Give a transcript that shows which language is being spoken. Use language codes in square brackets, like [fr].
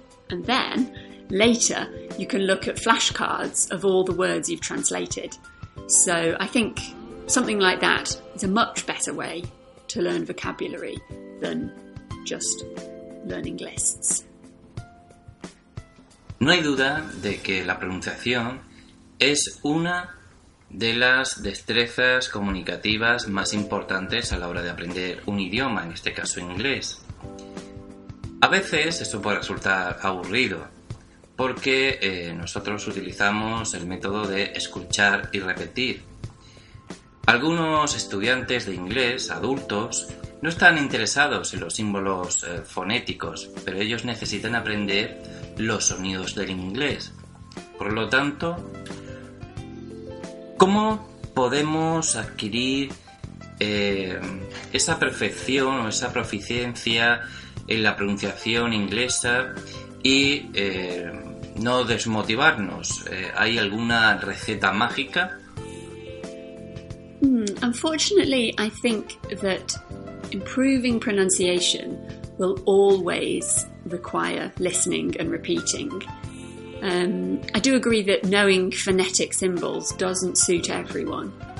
[en] And then, later, you can look at flashcards of all the words you've translated. So I think something like that is a much better way to learn vocabulary than just learning lists. [es] No hay duda de que la pronunciación es una de las destrezas comunicativas más importantes a la hora de aprender un idioma, en este caso inglés. A veces esto puede resultar aburrido, porque nosotros utilizamos el método de escuchar y repetir. Algunos estudiantes de inglés, adultos, no están interesados en los símbolos fonéticos, pero ellos necesitan aprender los sonidos del inglés. Por lo tanto, ¿cómo podemos adquirir esa perfección o esa proficiencia en la pronunciación inglesa y no desmotivarnos? ¿Hay alguna receta mágica? [en] Unfortunately, I think that improving pronunciation will always require listening and repeating. I do agree that knowing phonetic symbols doesn't suit everyone.